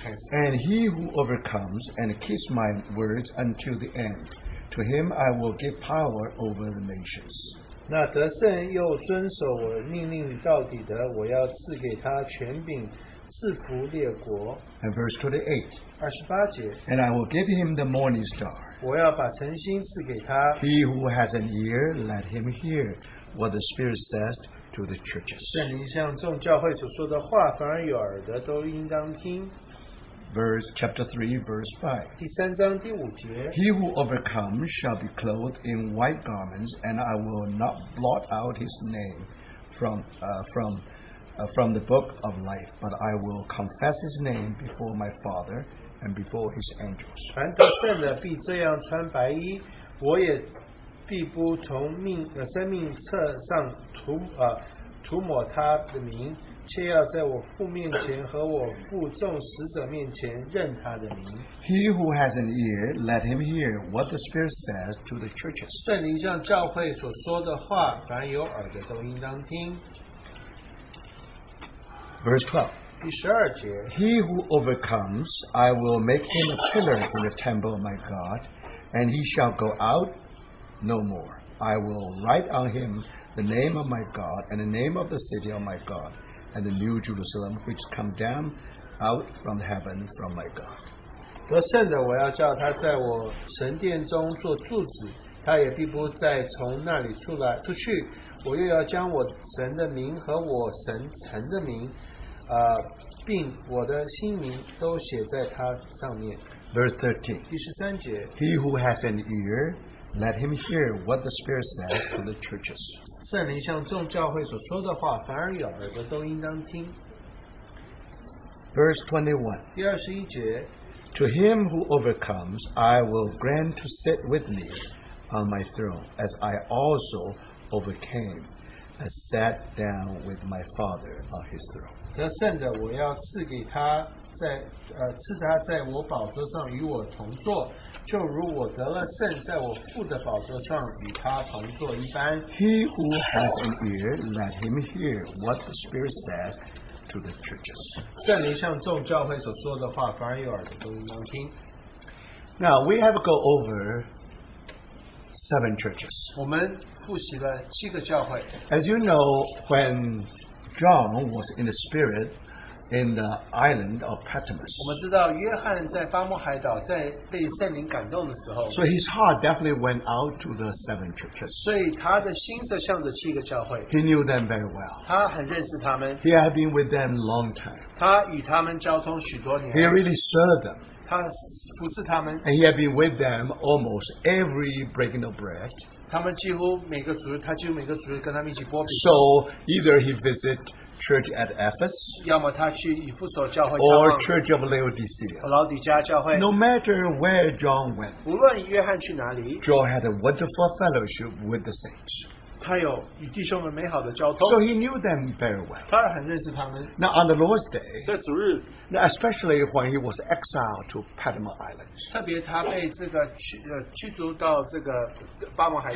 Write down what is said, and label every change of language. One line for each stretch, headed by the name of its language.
English: And he who overcomes and keeps my words until the end, to him I will give power over the nations.
Chinese: 那得胜又遵守我命令到底的，我要赐给他权柄，赐福列国。
English: And verse 28.
Chinese: 28节。
English: And I will give him the morning star.
Chinese: 我要把晨星赐给他。
English: He who has an ear, let him hear what the Spirit says to the churches.
Chinese: 圣灵向众教会所说的话，凡有耳的都应当听。
English: Chapter 3, verse 5.
Chinese: 第三章第五节。
English: He who overcomes shall be clothed in white garments, and I will not blot out his name from the book of life, but I will confess his name before my Father and before his angels.
Chinese: 凡得胜的必这样穿白衣，我也必不从命生命册上涂抹他的名，却要在我父面前和我父众使者面前认他的名。
English: He who has an ear, let him hear what the Spirit says to the churches.
Chinese: 圣灵向教会所说的话，凡有耳的都应当听。
English: Verse 12.
Chinese: 第十二节。
English: He who overcomes, I will make him a pillar in the temple of my God, and he shall go out no more. I will write on him the name of my God and the name of the city of my God and the new Jerusalem which come down out from heaven from my God.
Chinese: 得胜的，我要叫他在我神殿中做柱子，他也必不再从那里出去。我又要将我神的名和我神城的名，并我的新名都写在他上面。
English: Verse 13.
Chinese: 第十三节。
English: He who has an ear, let him hear what the Spirit says to the churches.
Chinese: 圣灵向众教会所说的话，凡而有耳的都应当听。
English: Verse 21.
Chinese: 第二十一节。
English: To him who overcomes, I will grant to sit with me on my throne, as I also overcame and sat down with my Father on his throne.
Chinese: 得胜的，我要赐给他赐他在我宝座上与我同坐，就如我得了圣在我父的宝座上与他同坐一般。
English: He who has an ear, let him hear what the Spirit says to the churches.
Chinese: 圣灵向众教会所说的话，凡有耳的都应当听。
English: Now we have to go over 7 churches.
Chinese: 我们复习了七个教会。
English: As you know, when John was in the Spirit in the island of Patmos,
Chinese: 我们知道约翰在巴摩海岛在被圣灵感动的时候，
English: so his heart definitely went out to the 7 churches.
Chinese: 所以他的心是向着七个教会。
English: He knew them very well.
Chinese: 他很认识他们。
English: He had been with them long time.
Chinese: 他与他们交通许多年。
English: He really served them.
Chinese: 他服侍他们。
English: And he had been with them almost every breaking of bread.
Chinese: 他们几乎每个主日，他几乎每个主日跟他们一起剥饼。
English: So either he visited church at Ephesus or church of Laodicea. No matter where John went, John had a wonderful fellowship with the saints.
Chinese: 他有与弟兄们美好的交通。
English: So he knew them very well.
Chinese: 他很认识他们。
English: Now on the Lord's day,
Chinese: 在主日,
English: now especially when he was exiled to Patmos Island,
Chinese: 特别他被这个驱逐到这个巴摩海岛,